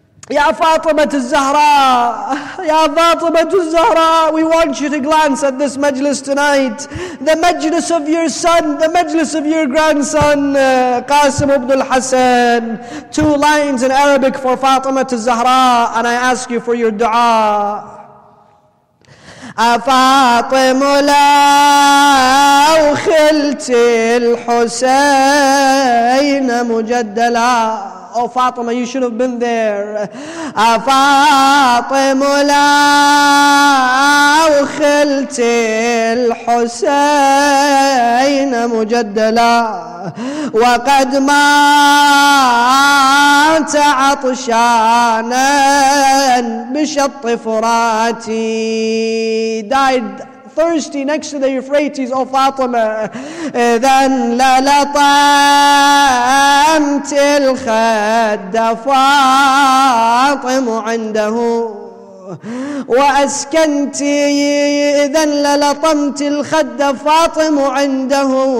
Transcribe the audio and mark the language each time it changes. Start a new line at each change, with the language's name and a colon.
English: Ya Fatima al-Zahra, ya Fatima al-Zahra, we want you to glance at this majlis tonight. The majlis of your son, the majlis of your grandson, Qasim ibn al-Hassan. Two lines in Arabic for Fatima al-Zahra, and I ask you for your dua.
Arabic: أفاطم لا أخلت الحسين مجدلا.
English: Oh Fatima, you should have been there.
Arabic: أفاطم لا أخلت الحسين مجدلا وقد مات عطشانا بشط فراتي.
English: Died thirsty next to the Euphrates, O Fatima.
Arabic: إذن للطمت الخد فاطم عنده وأسكنت. إذن للطمت الخد فاطم عنده.